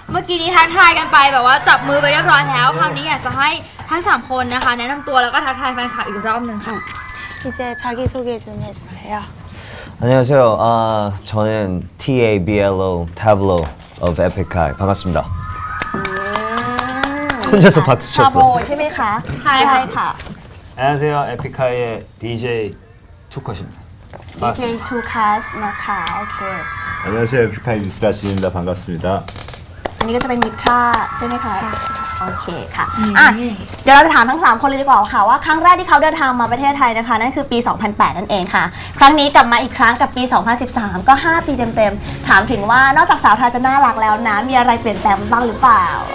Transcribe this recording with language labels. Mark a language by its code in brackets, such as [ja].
[th] เมื่อกี้นี้ทักทายกันไปแบบว่าจับมือไปเรียบร้อยแล้วคราวนี้อยากจะให้ทั้ง3คนนะคะแนะนำตัวแล้วก็ทักทายแฟนคลับอีกรอบนึงค่ะ [ko] 이제자기소개좀해주세요 안녕하세요저는 TABLO TABLO of Epic High 반갑습니다혼자서박수쳤어 [th] 타보ใช่ไหมคะ ใช่ค่ะ [ko] 안녕하세요 Epic High 의 DJ 투컷입니다 [th] DJ 투캣นะคะโอเค [ko] 안녕하세요 에픽하이 유스라씨입니다 반갑습니다 [th] อันนี้ก็จะเป็นมิตร่าใช่ไหมคะโอเคค่ะ อ่ะ เดี๋ยวเราจะถามทั้ง3คนเลยดีกว่าค่ะว่าครั้งแรกที่เขาเดินทางมาประเทศไทยนะคะนั่นคือปี2008นั่นเองค่ะครั้งนี้กลับมาอีกครั้งกับปี2013ก็5ปีเต็มๆถามถึงว่านอกจากสาวไทยจะน่ารักแล้วนะมีอะไรเปลี่ยนแปลงบ้างหรือเปล่า